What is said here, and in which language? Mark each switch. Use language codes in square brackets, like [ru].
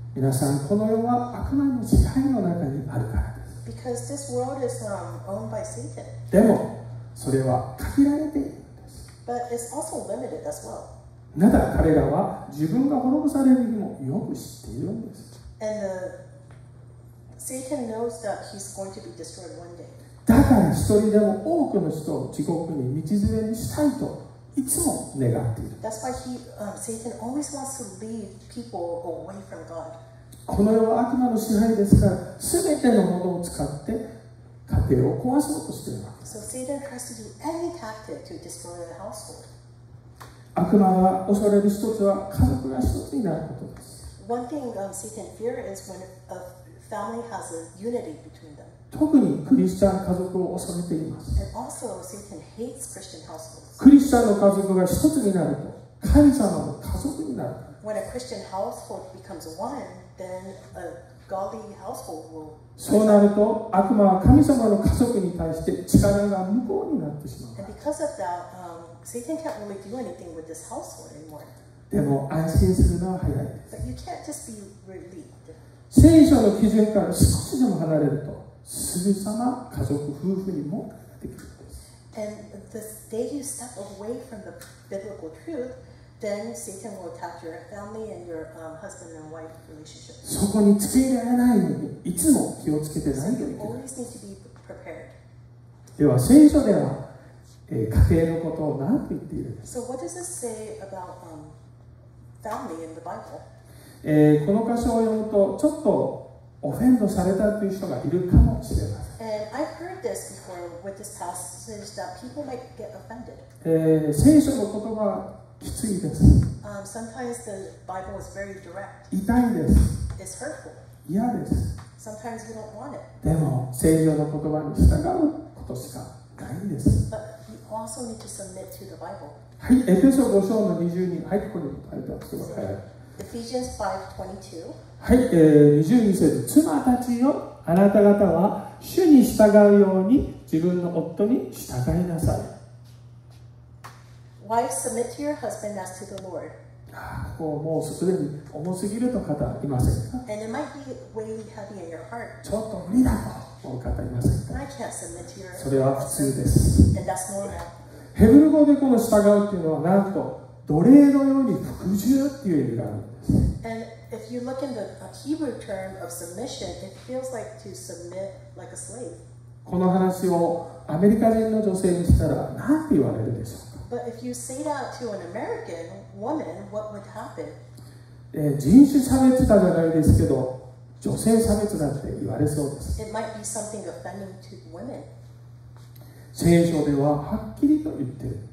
[ja] 皆さん、この世は悪魔の支配の中にあるからです。 [en] Because this world is owned by Satan. [ja] でも、それは限られているんです。 [en] But it's also limited as well. [ja] なぜ彼らは自分が滅ぼされる日もよく知っているんです。 [en] And Satan knows that he's going to be destroyed one day. [ja] だから一人でも多くの人を地獄に道連れにしたいといつも願っている。 [en] That's why he, Satan always wants to lead people away from God. [ja] この世は悪魔の支配ですから、すべてのものを使って家庭を壊そうとしているわけです。 [en] So Satan tries to do any tactic to destroy the household. [ja] 悪魔が恐れる一つは家族が一つになることです。 [en] One thing Satan fears is when a family has a unity between them. [ja] 特にクリスチャン家族を恐れています。 [en] And also Satan hates Christian households. [ja] クリスチャンの家族が一つになると神様の家族になる。 [en] When a Christian household becomes one, then a godly household will. [ja] そうなると悪魔は神様の家族に対して力が無効になってしまう。 [en] And because of that, Satan can't really do anything with this household anymore. [ja] でも安心するのは早いです。 [en] But you can't just be relieved. [ja] 聖書の基準から少しでも離れるとすぐさま家族夫婦にもできる。 [en] And the day you step away from the biblical truth, then Satan will attack your family and your husband and wife relationship. [ja] そこにつけられないのにいつも気をつけてないといけない。 [en] So you always need to be prepared. [ja] では聖書では、家庭のことを何と言っている。 [en] So what does it say about family in the Bible? [ja] この箇所を読むとちょっとオフェンドされたという人がいるかもしれません。 [en] And I've heard this before with this passage that people might get offended. [ja] 聖書の言葉はきついです。 [en] Sometimes the Bible is very direct. [ja] 痛いです。 [en] It's hurtful. [ja] 嫌です。 [en] Sometimes we don't want it. [ja] でも聖書の言葉に従うことしかないんです。 [en] But we also need to submit to the Bible. [ja] はい、エペソ5章の20に、はい、ここに書いてあります。はい。 [en] Ephesians 5:22. [ja] はい、20に節、妻たちよ、あなた方は主に従うように自分の夫に従いなさい。 [en] Wives, submit to your husband as to the Lord. [ja] ここもうすでに重すぎると方はいませんか。 [en] And it might be weighty heavy in your heart. [ja] ちょっと無理だと思う方いませんか。 [en] I can't submit to your husband. [ja] それは普通です。 [en] And that's normal. [ja] ヘブル語でこの従うっていうのはなんと奴隷のように服従っていう意味があるんです。 [en] And if you look in the Hebrew term of submission, it feels like to submit like a slave. [ja] この話をアメリカ人の女性にしたら何て言われるでしょうか。 [en] But if you say that to an American woman, what would happen? [ja] 人種差別だじゃないですけど、女性差別だって言われそうです。 [en] It might be something offending to women. [ja] 聖書でははっきりと言ってる。